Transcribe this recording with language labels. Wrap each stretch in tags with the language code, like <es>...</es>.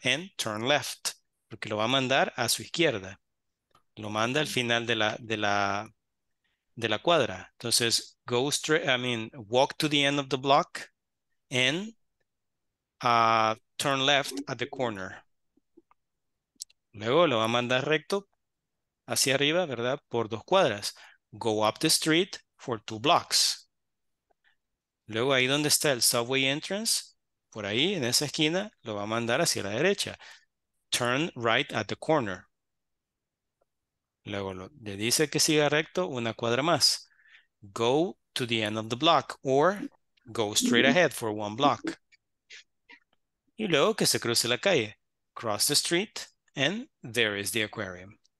<es>And turn left, porque lo va a mandar a su izquierda. Lo manda al final de la cuadra.</es> <en>Entonces, go straight, I mean, walk to the end of the block and turn left at the corner.</en> <es>Luego lo va a mandar recto hacia arriba, ¿verdad? Por dos cuadras. Go up the street for two blocks. Luego ahí donde está el subway entrance, por ahí en esa esquina, lo va a mandar hacia la derecha. Turn right at the corner. Luego le dice que siga recto una cuadra más.</es> <en>Go to the end of the block or go straight ahead for one block. Y luego que se cruce la calle. Cross the street and there is the aquarium.</en>